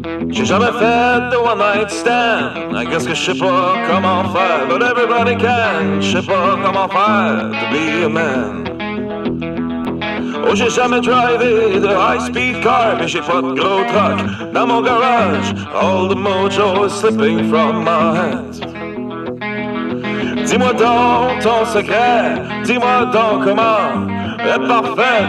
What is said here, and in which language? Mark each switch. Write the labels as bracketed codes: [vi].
[fr] J'ai jamais fait de one night stand. [en] I guess [fr] que je sais pas comment faire. [en] But everybody can. [fr] Je sais pas comment faire [en] to be a man. [fr] Oh, j'ai jamais drivé de [en] high speed car. [fr] Mais j'ai pas de gros truck dans mon garage. [en] All the mojo is slipping from my hands. [fr] Dis-moi donc ton secret. Dis-moi donc comment être parfait.